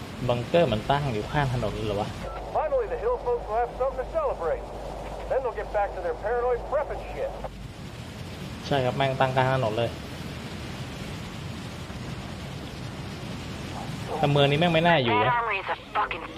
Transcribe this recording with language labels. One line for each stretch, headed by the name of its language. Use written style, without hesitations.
Thai: บังเกอร์มันตั้งอยู่ข้างถนนเลยวะ
English: Finally the hill folks will have something to celebrate. Then they'll get back to their paranoid prepping shit.
Thai: ใช่ครับแม่งตั้งกลางถนนเลยแต่เมืองนี้แม่งไม่น่าอยู